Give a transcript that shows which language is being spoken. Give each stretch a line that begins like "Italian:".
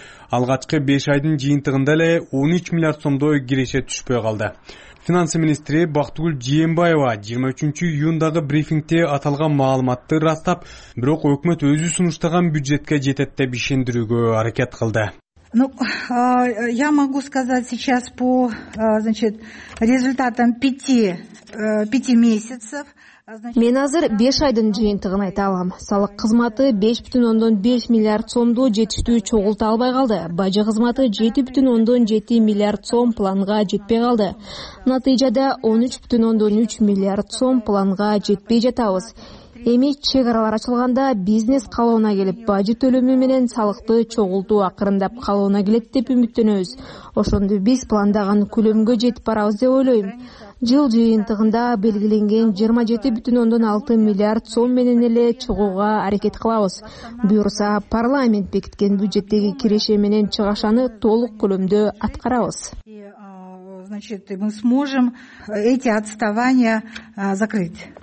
Kyrgyz: Алгачкы 5 айдын жыйынтыгында эле 13 миллиард сомдой киреше түшпөй калды. Финансы министри Бактыгүл Жээнбаева 23 июндагы брифингде аталган маалыматты ырастап, бирок өкмөт өзү сунуштаган бюджетке жетет деп ишендирүүгө аракет кылды.
Russian: Ну, я могу сказать сейчас по, значит, результатам пяти месяцев.
Kyrgyz: Мен азыр 5 айдын жыйынтыгын айта алам. Салык кызматы 5,5 миллиард сомду жетиштүү чогулта албай калды. Бажы кызматы 7,7 миллиард сом планга жетпей калды. Натыйжада 13,3 миллиард сом планга жетпей жатабыз. Эми чек аралар ачылганда бизнес калыбына келип, бажы төлөмү менен салыкты чогултуу акырындап калыбына келет деп үмүттөнөбүз. Ошондо биз пландаган көлөмгө жетип барабыз деп ойлойм. Жыл жыйынтыгында белгиленген 27,6 миллиард сом менен эле чыгууга аракет кылабыз. Буюрса парламент бекиткен бюджеттеги киреше менен чыгашаны толук көлөмдө аткарабыз.
Russian: Значит, мы сможем эти отставания закрыть.